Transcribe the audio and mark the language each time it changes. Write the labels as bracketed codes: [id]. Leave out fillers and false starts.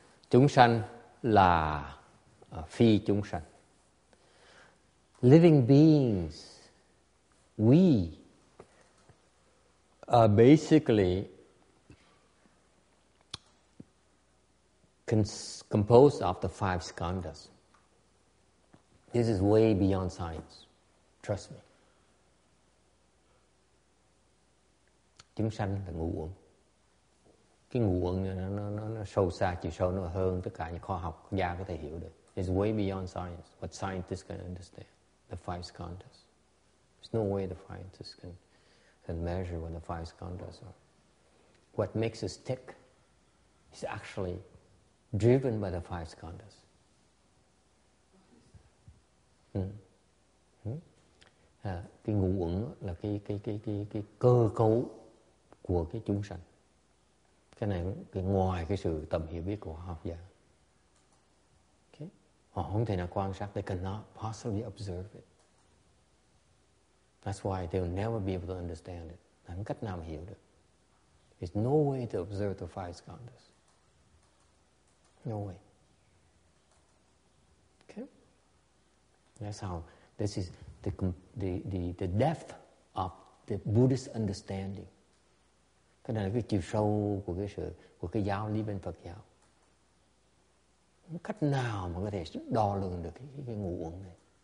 [vi] Chúng sanh là phi chúng sanh. [en] Living beings, we are basically composed of the five skandhas. This is way beyond science. Trust me. [vi] Chúng sanh là ngũ uẩn. Cái ngũ uẩn nó sâu xa, chiều sâu nó hơn tất cả những khoa học gia có thể hiểu được. [en] It's way beyond science, what scientists can understand. The five skandhas. There's no way the scientists can measure what the five skandhas are. What makes us tick is actually driven by the five skandhas. [vi] Cái ngũ uẩn là cái cơ cấu của cái chúng sanh. Cái này cái ngoài cái sự tầm hiểu biết của học giả. Họ không thể nào quan sát. [en] They cannot possibly observe it. That's why they'll never be able to understand it. [vi] Không cách nào hiểu được. [en] There's no way to observe the five skandhas. No way. Okay? That's how this is the depth of the Buddhist understanding. [vi] Cái này là cái chiều sâu của cái sự của cái giáo lý bên Phật giáo. Không cách nào mà có thể đo lường được cái ngũ uẩn này.